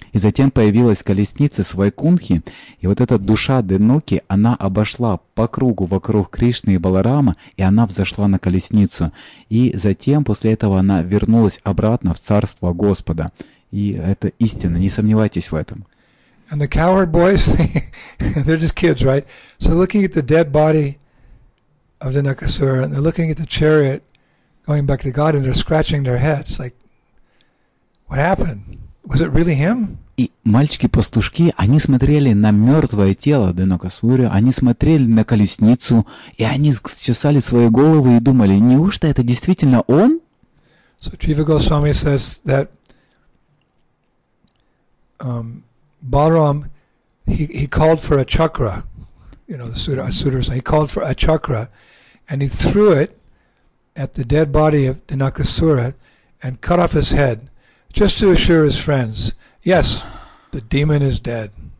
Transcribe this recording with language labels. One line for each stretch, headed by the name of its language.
Russian: И затем появилась колесница с Вайкунхи, и вот эта душа Денуки, она обошла по кругу вокруг Кришны и Баларама, и она взошла на колесницу. И затем, после этого, она вернулась обратно в царство Господа. И это истина, не сомневайтесь в этом.
English: And the cowherd boys, they're just kids, right? So looking at the dead body of Dinakasura, and they're looking at the chariot, going back to God, and they're scratching their heads, like, what happened? Was it really him?
Russian: И мальчики-пастушки, они смотрели на мертвое тело Динакасуры, они смотрели на колесницу, и они чесали свои головы и думали, неужто это действительно он?
English: So Jiva Goswami says that Balaram, he called for a chakra, you know, the sutras, he called for a chakra, and he threw it at the dead body of Dinakasura and cut off his head just to assure his friends, yes, the demon is dead.